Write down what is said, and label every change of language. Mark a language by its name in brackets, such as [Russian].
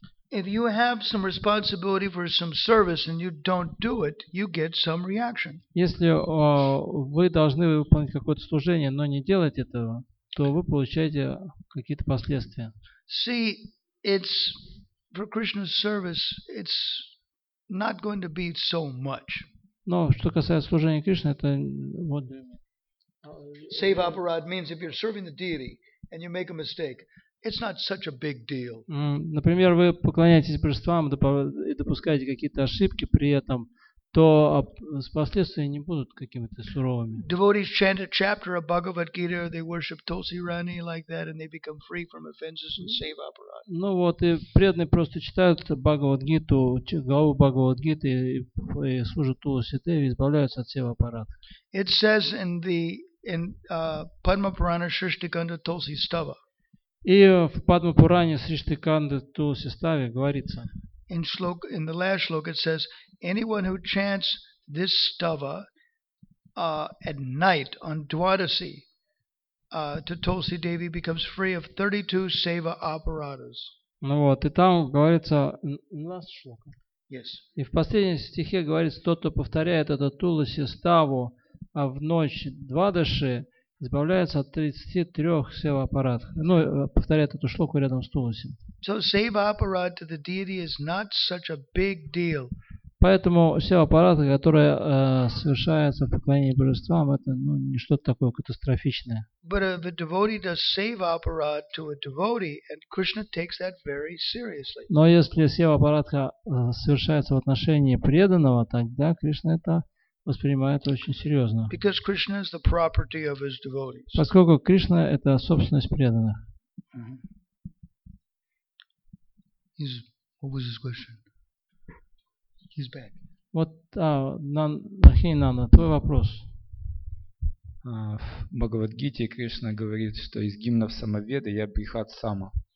[English] If you have some responsibility for some service and you don't do it, you get some reaction. [Russian] Если вы должны выполнить какое-то служение, но не делать этого, то вы получаете какие-то последствия. [English] See, it's for Krishna's service, it's not going to be so much. [Russian] Но что касается служения Кришне, это вот. [English] Seva aparad means if you're serving the deity and you make a mistake, It's not such a big deal. [Russian] Например, вы поклоняетесь божествам и допускаете какие-то ошибки при этом, то последствия не будут какими-то суровыми. [English] Devotees chant a chapter of Bhagavad Gita, they worship Tulsi Rani like that, and they become free from offenses and save aparad. [Russian] Ну вот, и преданные просто читают Бхагавад Гиту, главу Бхагавад Гиты, и служат Тулси Деви, и избавляются от сева аппарата. [English] It says in the Padma Purana Shrishtikanda Tulsi Stava. [Russian] И в Падма Пуране Сриштиканда Туласи Ставе говорится. [English] In shloka, in the last shloka it says, anyone who chants this stava at night on Dwadasi to Tulsi Devi becomes free of 32 seva aparadas. [Russian] Ну вот, и там говорится [English] in last shloka. Yes. [Russian] И в последнем стихе говорится, тот, кто повторяет это Туласи Ставу в ночь Двадаши, избавляется от 33 сева аппарат. Ну, повторяет эту шлоку рядом с Туласи. [English] So сева аппарат to the deity is not such a big deal. [Russian] Поэтому сева аппарат, которая совершается в поклонении божествам, это ну, не что-то такое катастрофичное. [English] But if a devotee does сева аппарат to a devotee, and Krishna takes that very seriously. [Russian] Но если сева аппарат совершается в отношении преданного, тогда Кришна это воспринимает очень серьезно. [English] Because Krishna is the property of his devotees. [Russian] Поскольку Кришна – это собственность преданных. [English] What was his question? He's back. [Russian] Вот, Нахинана, твой вопрос. В Бхагавадгите Кришна говорит, что из гимнов Самаведы я Брихат Сама.